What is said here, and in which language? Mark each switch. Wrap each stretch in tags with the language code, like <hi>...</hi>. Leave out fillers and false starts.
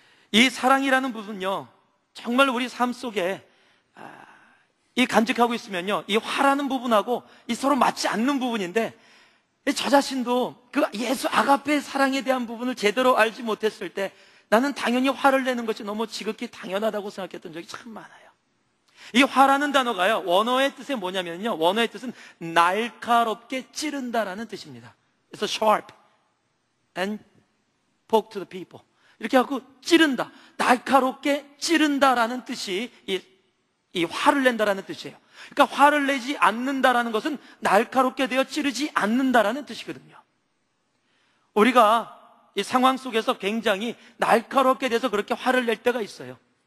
<ko>이 사랑이라는 부분은요, 정말 우리 삶 속에 이 간직하고 있으면요, 이 화라는 부분하고 이 서로 맞지 않는 부분인데, 저 자신도 그 예수 아가페의 사랑에 대한 부분을 제대로 알지 못했을 때 나는 당연히 화를 내는 것이 너무 지극히 당연하다고 생각했던 적이 참 많아요. 이 화라는 단어가요, 원어의 뜻이 뭐냐면요, 원어의 뜻은 날카롭게 찌른다라는 뜻입니다.</ko> <en>It's a sharp and poke to the people.</en> <ko>이렇게 하고 찌른다, 날카롭게 찌른다라는 뜻이 이 화를 낸다라는 뜻이에요. 그러니까 화를 내지 않는다라는 것은 날카롭게 되어 찌르지 않는다라는 뜻이거든요. 우리가 이 상황 속에서 굉장히 날카롭게 돼서 그렇게 화를 낼 때가 있어요.</ko>